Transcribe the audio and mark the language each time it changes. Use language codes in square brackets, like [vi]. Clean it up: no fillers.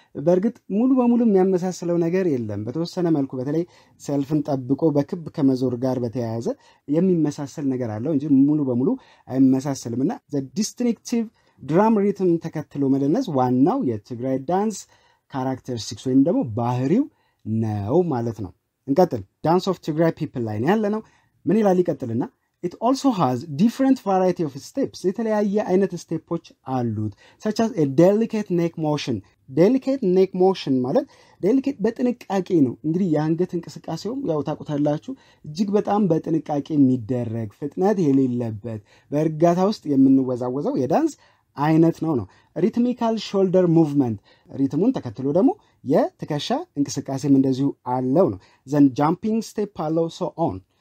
[am] በርግጥ ሙሉ በሙሉ የሚያመሳስለው ነገር የለም። በተወሰነ መልኩ በተለይ ሰልፍን ጠብቆ በክብ ከመዞር ጋር በተያያዘ የሚመሳሰል ነገር አለው እንጂ ሙሉ በሙሉ አይመሳሰልምና [en] the distinctive drum rhythm [am] ተከትሎ መደነስ ዋናው የትግራይ ዳንስ characteristics ወይንም ደግሞ ባህሪው ነው ማለት ነው። እንቀጥል። [en] dance of tigray people [am] ላይ ነው ያለነው። ምን ይላል ይቀጥልና [en] it also has different variety of steps. [am] የተለያየ አይነት ስቴፖች አሉት [en] such as a delicate neck motion. [am] delicate neck motion ማለት delicate በጥንቃቄ ነው። እንግዲህ የአንገት እንቅስቃሴው ያው ታቆታላችሁ እጅግ በጣም በጥንቃቄ የሚደረግ ፍጥነት የሌለበት በእርጋታ ውስጥ የምንወዛወዘው የዳንስ አይነት ነው ነው። [en] rhythmical shoulder movement [am] ሪትሙን ተከትሎ ደግሞ የትከሻ እንቅስቃሴም እንደዚሁ አለው ነው። [en] then jumping step follows so on.